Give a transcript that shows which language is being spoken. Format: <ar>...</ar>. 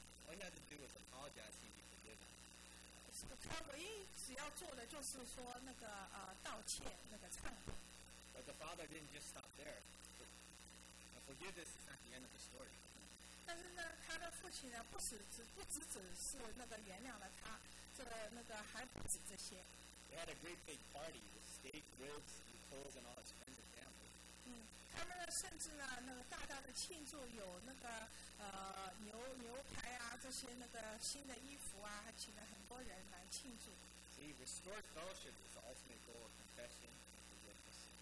<en>All he had to do was apologize and be forgiven.</en> <zh>他唯一只要做的就是说那个道歉，那个忏悔.</zh> <en>But the father didn't just stop there. The forgiveness is not the end of the story.</en> <zh>但是呢，他的父亲呢，不只是那个原谅了他，这个还不止这些.</zh> <en>They had a great big party with steak, ribs, and clothes, and all his friends and family.</en> <zh>甚至呢，那个大大的庆祝，有那个牛排啊，这些那个新的衣服啊，还请了很多人来庆祝。</zh> <en>See, restored fellowship is the ultimate goal of confession and forgiveness.</en>